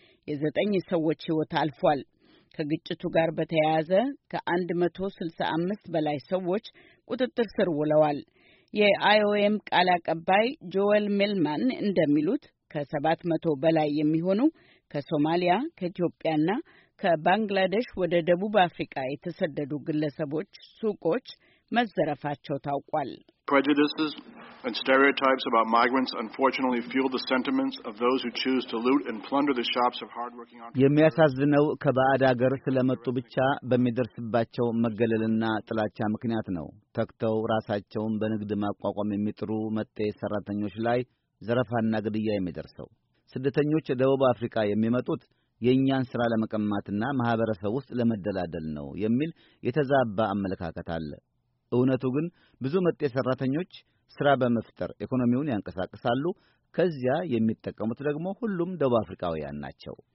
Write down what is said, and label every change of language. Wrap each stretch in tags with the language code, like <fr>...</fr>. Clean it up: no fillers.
<am>የ9 ሰዎች ህይወት አልፏል። ከግጭቱ ጋር በተያያዘ ከ165 በላይ ሰዎች ቁጥጥር ስር ውለዋል። የአይኦኤም ቃል አቀባይ ጆኤል ሚልማን እንደሚሉት ከ700 በላይ የሚሆኑ ከሶማሊያ፣ ከኢትዮጵያና ከባንግላዴሽ ወደ ደቡብ አፍሪካ የተሰደዱ ግለሰቦች ሱቆች መዘረፋቸው ታውቋል።</am> <en>Prejudices and stereotypes about migrants unfortunately fuel the sentiments of those who choose to loot and plunder the shops of hard-working entrepreneurs.</en> <am>የሚያሳዝነው ከባዕድ አገር ስለመጡ ብቻ በሚደርስባቸው መገለልና ጥላቻ ምክንያት ነው። ተክተው ራሳቸውን በንግድ ማቋቋም የሚጥሩ መጤ ሰራተኞች ላይ ዘረፋና ግድያ የሚደርሰው። ስደተኞች ደቡብ አፍሪካ የሚመጡት የኛን ስራ ለመቀማትና ማህበረሰብ ውስጥ ለመደላደል ነው የሚል የተዛባ አመለካከት አለ። እውነቱ ግን ብዙ መጤ ሰራተኞች ስራ በመፍጠር ኢኮኖሚውን ያንቀሳቅሳሉ። ከዚያ የሚጠቀሙት ደግሞ ሁሉም ደቡብ አፍሪካውያን ናቸው።</am>